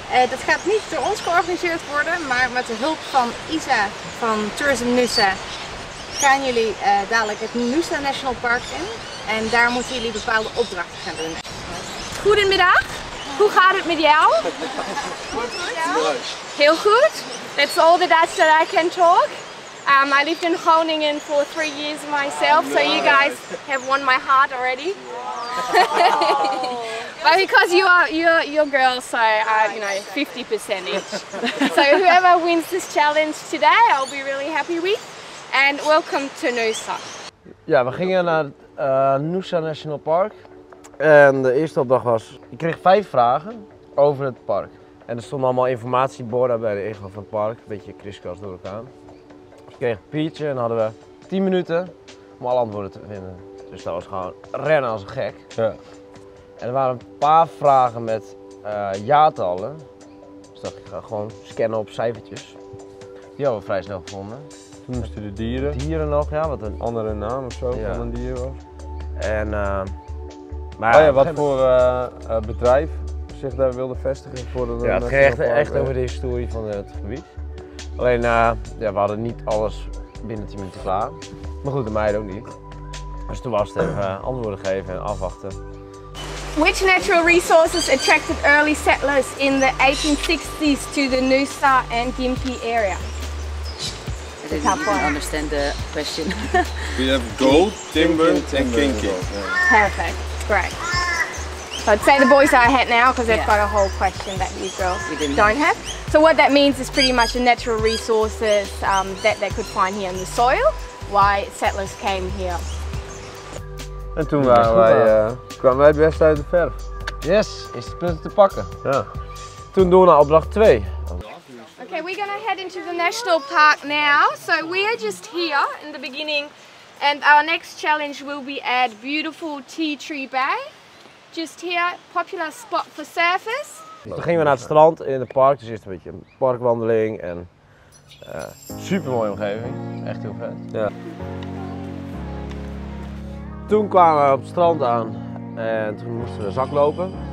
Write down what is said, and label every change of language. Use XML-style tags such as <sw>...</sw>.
<nl>Dat gaat niet door ons georganiseerd worden, maar met de hulp van Isa van Tourism Nusa. Gaan jullie dadelijk het Nusa National Park in en daar moeten jullie bepaalde opdrachten gaan doen. Goedemiddag, hoe gaat het met jou? Heel goed.</nl> <en>That's all the Dutch that I can talk. I lived in Groningen for 3 years myself, so you guys have won my heart already. But because you're girls, so you know, 50% each. So whoever wins this challenge today, I'll be really happy with.</en> <nl>En welkom to Nusa. Ja, we gingen naar het Nusa National Park. En de eerste opdracht was, ik kreeg 5 vragen over het park. En er stonden allemaal informatieborden bij de ingang van het park. Een beetje kriskras door elkaar. Ik kreeg een biertje en hadden we 10 minuten om alle antwoorden te vinden. Dus dat was gewoon rennen als een gek. Ja. En er waren een paar vragen met jaartallen. Dus dacht ik, ga gewoon scannen op cijfertjes. Die hadden we vrij snel gevonden. Toen moesten de dieren. Dieren nog, ja. Wat een andere naam of zo van een dier was. En, maar ja, wat voor bedrijf zich daar wilde vestigen voor de. Ja, het ging echt over de historie van het gebied. Alleen, we hadden niet alles binnen 10 minuten klaar. Maar goed, de meiden ook niet. Dus toen was het even antwoorden geven en afwachten.</nl> <en>Which natural resources attracted early settlers in the 1860s to the Nusa and Gympie area? I didn't understand the question. We have gold, timber and kinky. Perfect, great. So I'd say the boys are ahead now because they've got a whole question that you girls don't have. So what that means is pretty much the natural resources that they could find here in the soil, why settlers came here.</en> <nl>En toen kwamen wij best uit de verf. Yes, is het punt te pakken. Ja. Toen doen we naar opdracht 2.</nl> <en>Okay, we're gonna head into the national park now. So we are just here in the beginning, and our next challenge will be at beautiful Tea Tree Bay. Just here, popular spot for surfers.</en> <nl>Toen gingen we naar het strand in het park, dus eerst een beetje een parkwandeling en super mooie omgeving. Echt heel vet. Ja. Toen kwamen we op het strand aan en toen moesten we zaklopen.</nl>